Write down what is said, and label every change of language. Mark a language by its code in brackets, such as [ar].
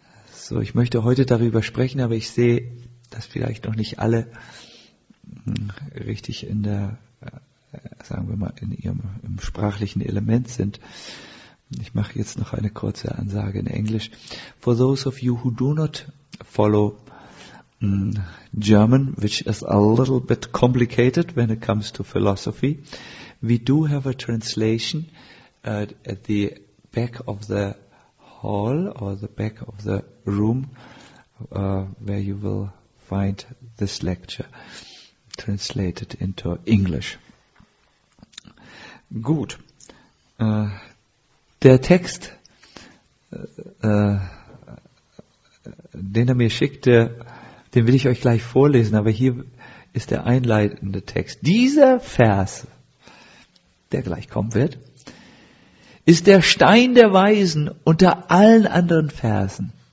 [de] So, ich möchte heute darüber sprechen, aber ich sehe, dass vielleicht noch nicht alle richtig in der, sagen wir mal, in ihrem im sprachlichen Element sind. Ich mache jetzt noch eine kurze Ansage in Englisch. [en] For those of you who do not follow German, which is a little bit complicated when it comes to philosophy, we do have a translation at the back of the hall or the back of the room where you will find this lecture translated into English. [de] Gut. Der Text, den er mir schickte, den will ich euch gleich vorlesen, aber hier ist der einleitende Text. Dieser Vers, der gleich kommen wird, ist der Stein der Weisen unter allen anderen Versen.